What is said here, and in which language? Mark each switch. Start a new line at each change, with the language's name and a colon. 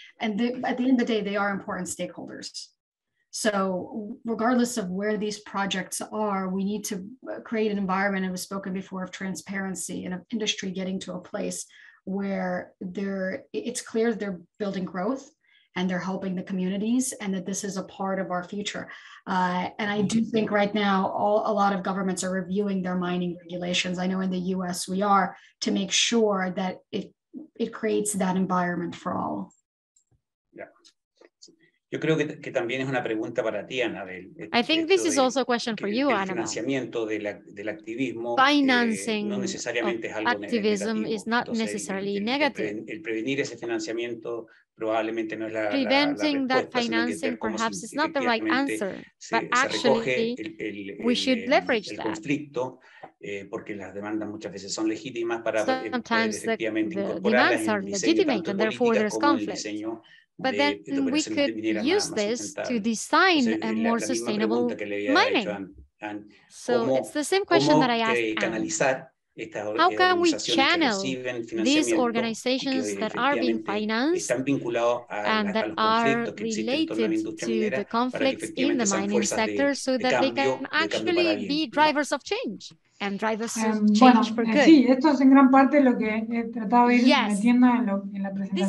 English: And they, at the end of the day, they are important stakeholders. So regardless of where these projects are, we need to create an environment, and we've spoken before of transparency and of industry getting to a place where it's clear that they're building growth and they're helping the communities and that this is a part of our future. And I do think right now, a lot of governments are reviewing their mining regulations. I know in the US we are, to make sure that it creates that environment for all.
Spanish: Yo creo que también es una pregunta para ti, Anabel.
English: I think this is also a question for you, Anabel.
Spanish: El financiamiento del activismo no necesariamente es algo negativo. El prevenir ese financiamiento probablemente no es la
English: preventing that financing perhaps is not the right answer, but actually we should leverage that.
Spanish: El conflicto, porque las demandas muchas veces son legítimas para efectivamente incorporarlas en el diseño, tanto político como el diseño.
English: But then we could use this to design a more sustainable mining. So it's the same question that I asked Anne. How can we channel these organizations that are being financed and that are related to the conflicts in the mining sector so that they can actually be drivers of change? And drive us to change for good.
Spanish: Sí, esto es en gran parte lo que he tratado de ir metiendo en la presentación.